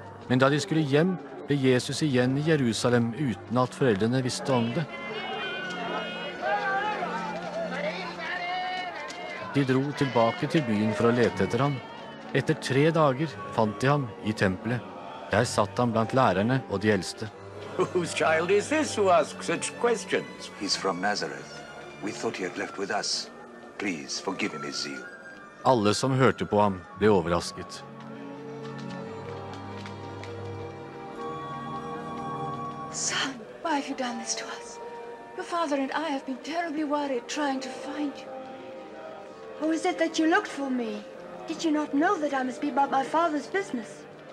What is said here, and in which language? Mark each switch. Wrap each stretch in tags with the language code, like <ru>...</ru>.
<no>Men da de skulle hjem, ble Jesus igjen i Jerusalem uten at foreldrene visste om det. De dro tilbake til byen for å lete etter ham. Etter 3 dager fant de ham i tempelet. Der satt han blant lærerne og de eldste.</no> <en>Whose child is this who asks such questions? He's from Nazareth. We thought he had left with us. Please forgive him his zeal.</en> <no>Alle som hørte på ham ble overrasket.</no> <en>Son, why have you done this to us? Your father and I have been terribly worried trying to find you. Or is it that you looked for me? Did you not know that I must be about my father's business?</en>